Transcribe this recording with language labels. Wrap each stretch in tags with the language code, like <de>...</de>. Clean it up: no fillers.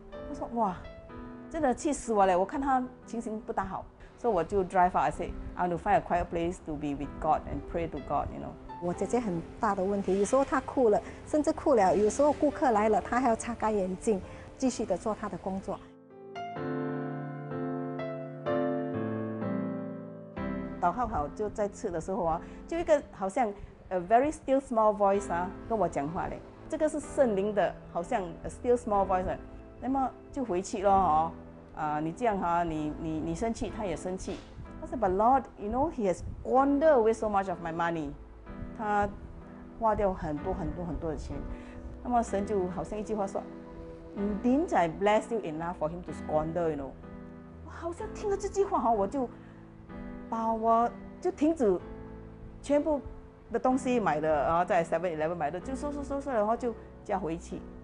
<zh>我说哇，真的气死我了，我看他情形不大好，所以我就</zh> <en>drive out， I say I want to find a quiet place to be with God and pray to God， you know。</en> <zh>我姐姐很大的问题，有时候她哭了，甚至哭了，有时候顾客来了，她还要擦干眼镜，继续的做她的工作。祷告好就在吃的时候、啊、就一个好像</zh> <en>a very still small voice、</en> <zh>啊、跟我讲话嘞，这个是圣灵的，好像</zh> <en>a still small voice，</en> <zh>那么就回去咯、哦你这样、啊、你生气，他也生气。他说</zh> <en>，But Lord， you know he has squandered away so much of my money。</en> <zh>他花掉很多很多很多的钱，那么神就好像一句话说 ，</zh> <en>Didn't I bless you enough for him to squander？ You know，</en> <zh>我好像听了这句话我就把我就停止全部的东西买的，然后在 Seven Eleven 买的，就收，然后就加回去。</zh>